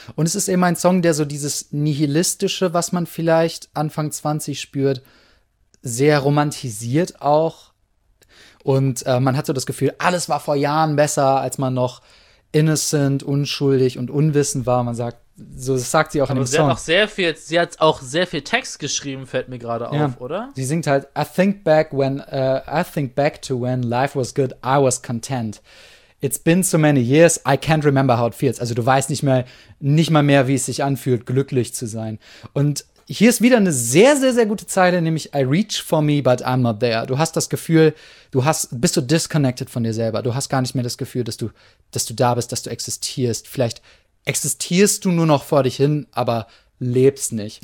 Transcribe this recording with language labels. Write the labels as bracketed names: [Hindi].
[German] Und es ist eben ein Song, der so dieses Nihilistische, was man vielleicht Anfang 20 spürt, sehr romantisiert auch. Und man hat so das Gefühl, alles war vor Jahren besser, als man noch innocent, unschuldig und unwissend war. Man sagt, so sagt sie auch aber in dem Song. Sie hat auch sehr viel Text geschrieben, fällt mir gerade auf, ja, oder? Sie singt halt, [English] I think back to when life was good, I was content. It's been so many years, I can't remember how it feels. [German] Also du weißt nicht mal mehr, wie es sich anfühlt, glücklich zu sein. Und hier ist wieder eine sehr, sehr, sehr gute Zeile, nämlich [English] I reach for me, but I'm not there. [German] Du hast das Gefühl, bist du disconnected von dir selber. Du hast gar nicht mehr das Gefühl, dass du da bist, dass du existierst. Vielleicht existierst du nur noch vor dich hin, aber lebst nicht.